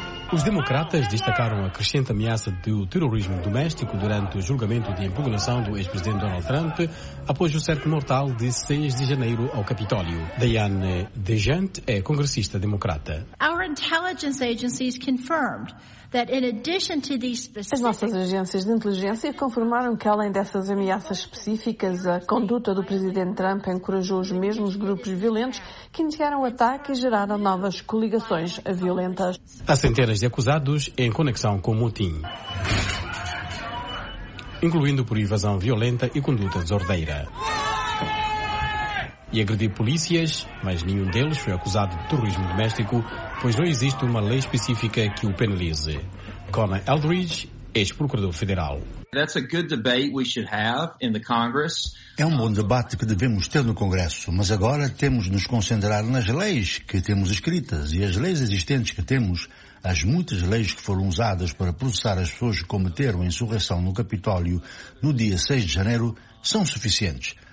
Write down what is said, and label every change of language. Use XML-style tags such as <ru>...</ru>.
<pt>Os democratas destacaram a crescente ameaça do terrorismo doméstico durante o julgamento de impugnação do ex-presidente Donald Trump após o cerco mortal de 6 de janeiro ao Capitólio. Diane DeJant é congressista democrata.</pt> <en>Our intelligence agencies confirmed that in addition to these specific...</en> <pt>As nossas agências de inteligência confirmaram que, além dessas ameaças específicas, a conduta do presidente Trump encorajou os mesmos grupos violentos que iniciaram o ataque e geraram novas coligações violentas. Há centenas de acusados em conexão com o motim, incluindo por invasão violenta e conduta desordeira. E agrediu polícias, mas nenhum deles foi acusado de terrorismo doméstico, pois não existe uma lei específica que o penalize. Conor Eldridge, ex-procurador federal.</pt> <en>That's a good debate we should have in the Congress.</en> <pt>É um bom debate que devemos ter no Congresso, mas agora temos de nos concentrar nas leis que temos escritas e as leis existentes que temos, as muitas leis que foram usadas para processar as pessoas que cometeram a insurreição no Capitólio no dia 6 de janeiro, são suficientes.</pt>